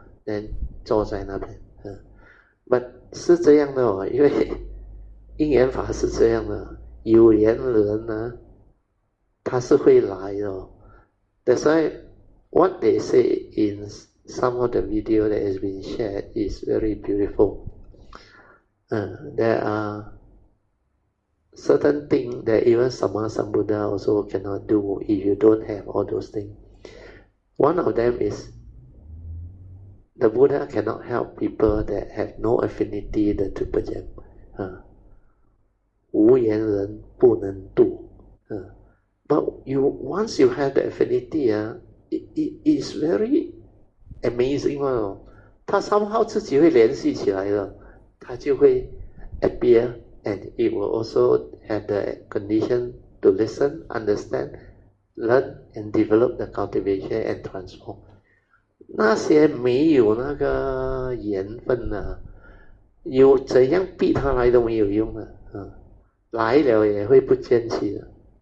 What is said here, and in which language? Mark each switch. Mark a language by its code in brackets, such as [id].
[zh] 人坐在那边，But 是这样的哦，因为因缘法是这样的，有缘人呢，他是会来的。 [en] That's why what they say in some of the video that has been shared is very beautiful. There are certain things that even Sama Sambuddha also cannot do if you don't have all those things. One of them is. The Buddha cannot help people that have no affinity the triple gem. [zh] 无缘人不能度。 [en] But you, once you have the affinity, it is very amazing. [zh] 他 [en] somehow [zh] 自己会联系起来了。他就会 [en] appear, and it will also have the condition to listen, understand, learn, and develop the cultivation and transform. [zh] 那些没有那个缘分的，有怎样逼他来都没有用的，来了也会不坚持的。